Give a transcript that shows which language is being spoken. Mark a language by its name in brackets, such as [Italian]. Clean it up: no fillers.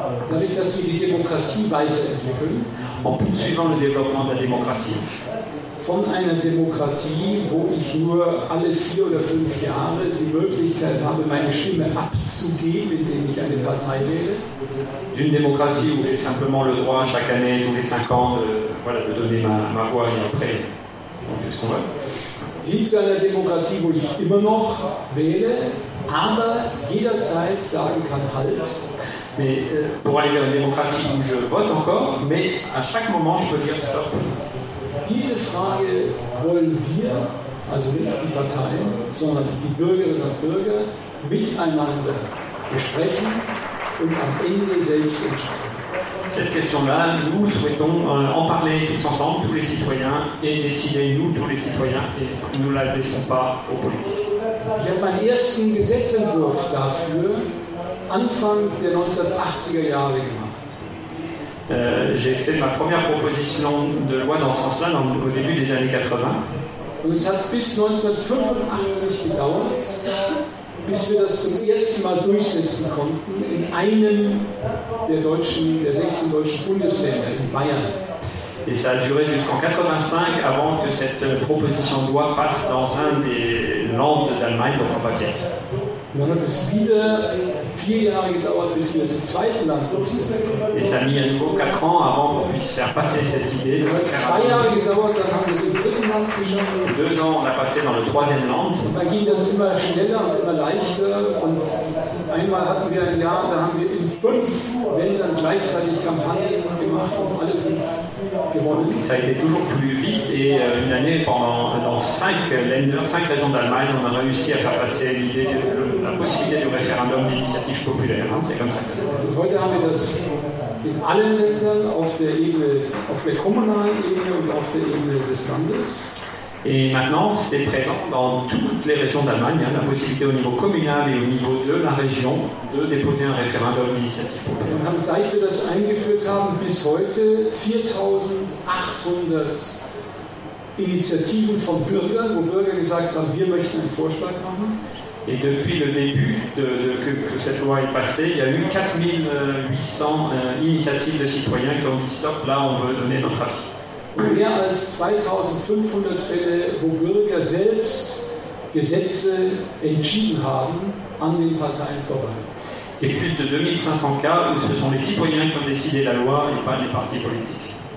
[German] Dadurch, dass wir die Demokratie weiterentwickeln. [French] En poursuivant le développement de la démocratie. [German] Von einer Demokratie, wo ich nur alle vier oder fünf Jahre die Möglichkeit habe, meine Stimme abzugeben, indem ich eine Partei wähle. [French] D'une démocratie où j'ai simplement le droit chaque année, tous les cinq ans, de donner ma voix et après, on fait ce qu'on veut. [German] Hin zu einer Demokratie, wo ich immer noch wähle, aber jederzeit sagen kann, halt. [French] Mais pour aller vers une démocratie où je vote encore, mais à chaque moment, je peux dire stop. [German] Diese Frage wollen wir, also nicht die Parteien, sondern die Bürgerinnen und Bürger, miteinander besprechen und am Ende selbst entscheiden. [French] Cette question-là, nous souhaitons en parler tous ensemble, tous les citoyens, et décider nous, tous les citoyens, et nous la laissons pas aux politiques. [German] Ich habe meinen ersten Gesetzentwurf dafür Anfang der 1980er Jahre gemacht. [French] J'ai fait ma première proposition de loi dans ce sens-là au début des années 80. [German] Und es hat bis 1985 gedauert, bis wir das zum ersten Mal durchsetzen konnten in einem der 16 deutschen Bundesländer, in Bayern. [French] Et ça a duré jusqu'en 85 avant que cette proposition de loi passe dans un des Landes d'Allemagne, donc en Bavière. [German] Dann hat es wieder 4 Jahre gedauert, bis wir den zweiten Landkurs setzen. [French] Et ça a mis à nouveau 4 ans avant qu'on puisse faire passer cette idée. [German] Dann hat es 2 Jahre gedauert, dann haben wir es im dritten Land geschafft. [French] Et 2 ans, on a passé dans le troisième Land. [German] Und dann ging das immer schneller und immer leichter. Und einmal hatten wir ein Jahr, da haben wir in 5 Ländern gleichzeitig Kampagnen gemacht und alle 5 gewonnen. [French] Ça a été toujours plus vite et une année pendant dans 5 régions d'Allemagne, on a réussi à faire passer l'idée de la possibilité du référendum d'initiative populaire. Hein, c'est comme ça. [German] Und heute haben wir das in allen Ländern auf der kommunalen Ebene und auf der Ebene des Landes. [French] Et maintenant, c'est présent dans toutes les régions d'Allemagne, hein, la possibilité au niveau communal et au niveau de la région de déposer un référendum d'initiative populaire. [German] Und haben, seit wir das eingeführt haben, bis heute 4.800 Initiativen von Bürgern, wo Bürger gesagt haben, wir möchten einen Vorschlag machen. [French] Et depuis le début que cette loi est passée, il y a eu 4.800 initiatives de citoyens qui ont dit stop, là on veut donner notre avis. [German] Und mehr als 2.500 Fälle, wo Bürger selbst Gesetze entschieden haben, an den Parteien vorbei. [French] Et plus de 2.500 cas où ce sont les citoyens qui ont décidé la loi et pas les partis politiques.